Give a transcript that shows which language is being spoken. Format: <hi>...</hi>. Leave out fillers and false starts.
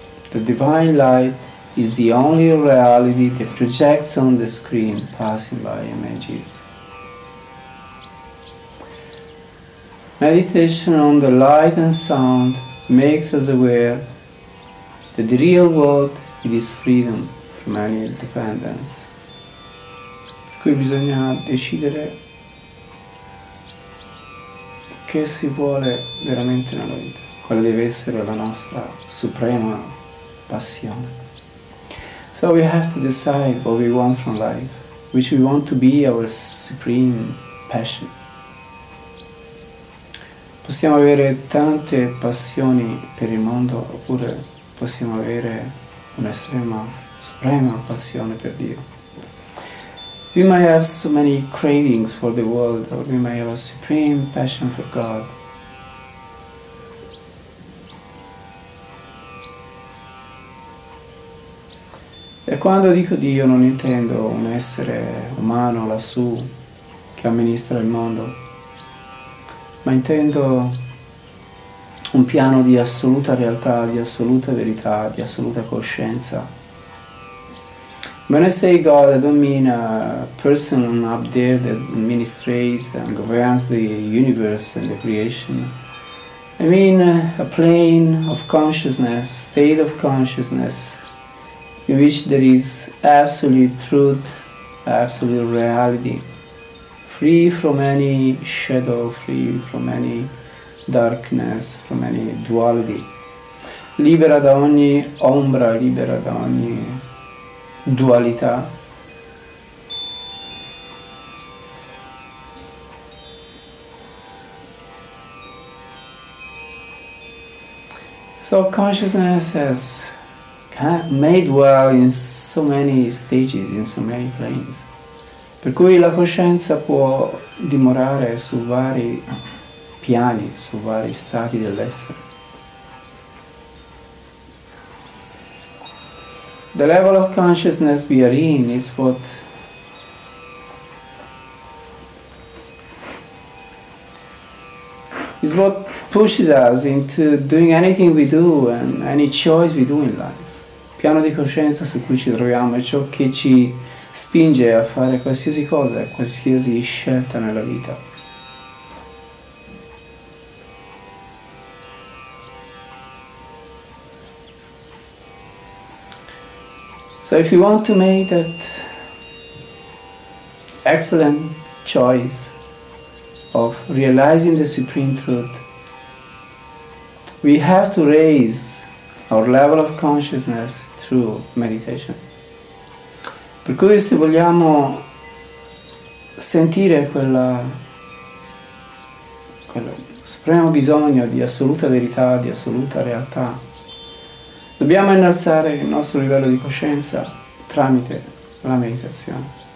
<en>The divine light is the only reality that projects on the screen, passing by images. Meditation on the light and sound makes us aware that the real world is freedom from any dependence.</en> <it>Qui bisogna decidere che si vuole veramente nella vita, quale deve essere la nostra suprema passione.</it> <en>So we have to decide what we want from life, which we want to be our supreme passion.</en> <it>Possiamo avere tante passioni per il mondo, oppure possiamo avere un'estrema, suprema passione per Dio.</it> <en>We may have so many cravings for the world, or we may have a supreme passion for God.</en> <it>E quando dico Dio non intendo un essere umano lassù che amministra il mondo, ma intendo un piano di assoluta realtà, di assoluta verità, di assoluta coscienza.</it> <en>When I say God, I don't mean a person up there that administrates and governs the universe and the creation. I mean a plane of consciousness, state of consciousness, in which there is absolute truth, absolute reality, free from any shadow, free from any darkness, from any duality,</en> <it>libera da ogni ombra, libera da ogni dualità.</it> <en>So consciousness has made well in so many stages, in so many planes.</en> <it>Per cui la coscienza può dimorare su vari piani, su vari stati dell'essere.</it> <en>The level of consciousness we are in is what pushes us into doing anything we do and any choice we do in life.</en> <it>Piano di coscienza su cui ci troviamo è ciò che ci spinge a fare qualsiasi cosa, qualsiasi scelta nella vita.</it> <en>So if you want to make that excellent choice of realizing the supreme truth, we have to raise our level of consciousness through meditation.</en> <it>Per cui se vogliamo sentire quel supremo bisogno di assoluta verità, di assoluta realtà, dobbiamo innalzare il nostro livello di coscienza tramite la meditazione.</it>